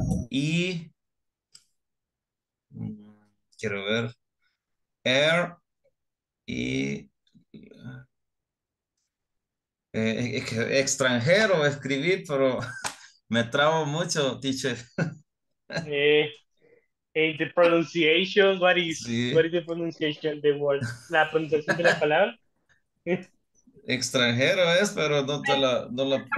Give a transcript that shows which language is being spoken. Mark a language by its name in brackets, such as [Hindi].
[Spanish] Y quiero ver R y extranjero escribí, pero me trabo mucho, teacher. [English] The pronunciation, what is the pronunciation of the word? [Spanish] La pronunciación de la palabra. Extranjero es, pero no te la, no la